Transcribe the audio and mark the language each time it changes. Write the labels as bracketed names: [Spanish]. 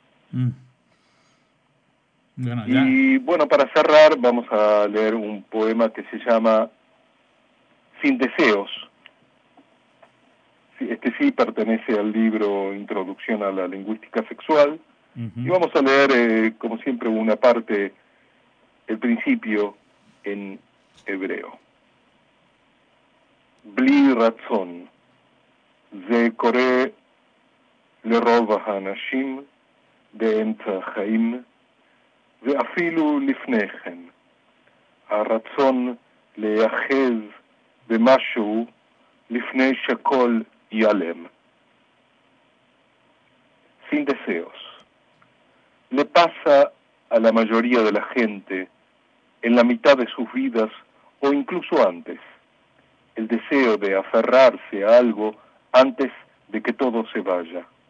[Spanish] Bueno, y bueno, para cerrar vamos a leer un poema que se llama Sin deseos. Este sí pertenece al libro Introducción a la Lingüística Sexual. Y vamos a leer, como siempre, una parte, el principio en hebreo. [Hebrew] Bli ratzon. זה קורה לרוב האנשים באמצע החיים ואפילו לפני כן. הרצון להיאחז במשהו לפני שכל ייעלם. [Spanish] Sin deseos. Le pasa a la mayoría de la gente en la mitad de sus vidas o incluso antes. El deseo de aferrarse a algo antes de que todo se vaya.